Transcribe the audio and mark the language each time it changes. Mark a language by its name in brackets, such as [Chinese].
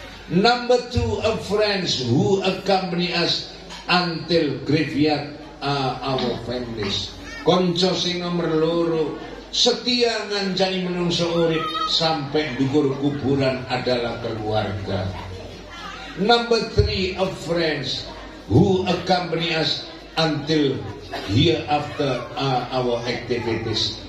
[English] Number two, a friends who accompany us until graveyard our families. [Javanese] Konco sing nomor loro setia ngancani menungso urip sampai dukur kuburan adalah keluarga. [English] Number three, a friends who accompany us until hereafter our activities.